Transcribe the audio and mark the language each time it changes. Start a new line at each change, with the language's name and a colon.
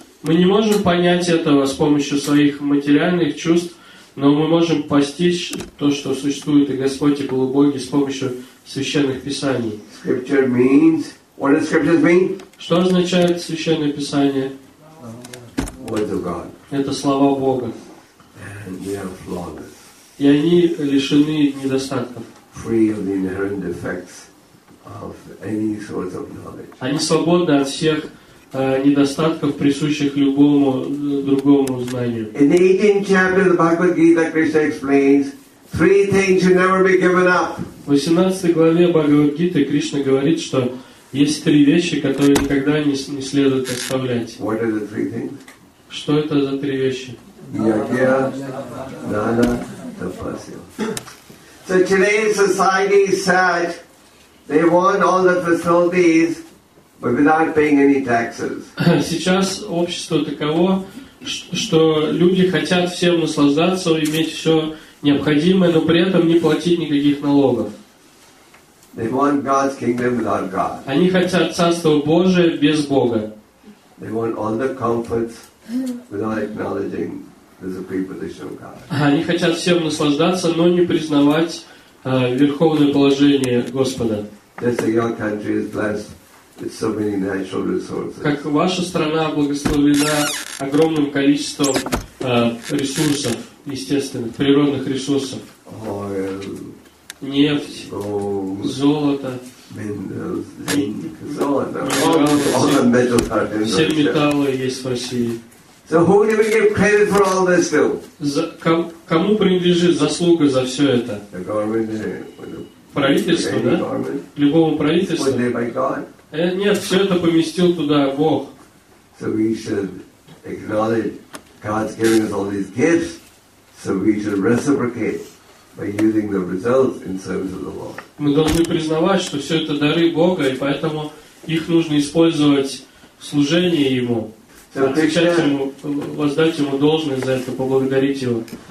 Russian: Мы не можем понять этого с помощью своих материальных чувств, но мы можем постичь то, что существует и Господь, и полубоги с помощью священных писаний.
English: Scripture means... What does scriptures mean?
Russian: Что означает священное писание?
English: Words of God.
Russian: Это слова Бога.
English: And they are flawless.
Russian: И они лишены недостатков.
English: Free of the inherent defects of any sort of knowledge.
Russian: Они свободны от всех недостатков, присущих любому другому знанию.
English: In the 18th chapter of the Bhagavad Gita, Krishna explains three things should never be given up.
Russian: В 18 главе Бхагавад Гиты Кришна говорит, что есть три вещи, которые никогда не следует оставлять.
English: What are the three things?
Russian: Что это за три вещи?
Sanskrit: Yajna, dana, tapasya.
English: So today's society is sad. They want all the facilities, but without paying any taxes.
Russian: Сейчас общество таково, что люди хотят всем наслаждаться, иметь все необходимое, но при этом не платить никаких налогов.
English: They want God's kingdom without God.
Russian: Они хотят царство Божие без Бога.
English: They want all the comforts without acknowledging the supreme position of God.
Russian: Они хотят всем наслаждаться, но не признавать верховное положение Господа.
English: Just like your country is blessed with so many natural resources.
Russian: Как ваша страна благословлена огромным количеством ресурсов, естественных природных ресурсов.
English: Oil.
Russian: Нефть,
English: gold,
Russian: золото,
English: minerals, zinc, all the metals are in Russia.
Russian: Все металлы есть в России.
English: So who do we give credit for all this to?
Russian: Кому принадлежит заслуга за все это?
English: The government,
Russian: правительство, да? Любому правительству?
English: Was there by God?
Russian: Нет, все это поместил туда Бог.
English: So we should acknowledge God's giving us all these gifts, so we should reciprocate. By using the results in service of the Lord.
Russian: Мы должны признавать, что все это дары Бога, и поэтому их нужно использовать в служении Ему, отвечать Ему, воздать Ему должное за это, поблагодарить Его.